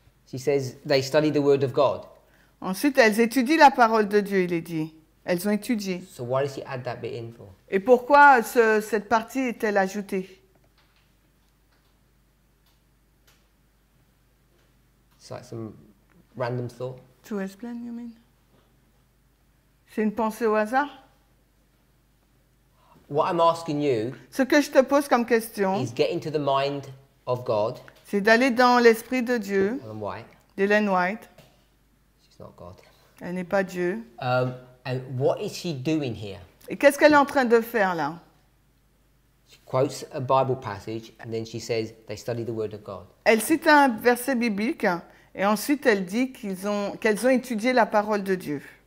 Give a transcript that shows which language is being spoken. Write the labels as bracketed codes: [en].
[en] She says they study the word of God. [fr] Ensuite, elles étudient la parole de Dieu, il est dit. Elles ont étudié. [en] So why did she add that bit in for? [fr] Et pourquoi cette partie est-elle ajoutée? [en] It's like some random thought. To explain, you mean? [fr] C'est une pensée au hasard? [en] What I'm asking you. [fr] Ce que je te pose comme question. [en] Is getting to the mind of God. [fr] C'est d'aller dans l'esprit de Dieu. [en] Ellen White. [fr] D'Ellen White. [en] She's not God. [fr] Elle n'est pas Dieu. [en] And what is she doing here? [fr] Et qu'est-ce qu'elle est en train de faire là? [en] She quotes a Bible passage and then she says they study the word of God. [fr] Elle cite un verset biblique et ensuite elle dit qu'elles ont étudié la parole de Dieu.